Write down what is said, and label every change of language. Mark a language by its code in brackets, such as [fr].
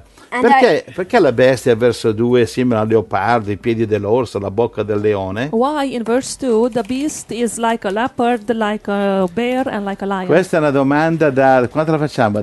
[it] Perché la bestia, verso 2, è simile al leopardo, i piedi dell'orso, la bocca del leone? [en] Why in verse 2 the beast is like a leopard, like a bear and like a lion? [it] Questa è una domanda da, quanto la facciamo?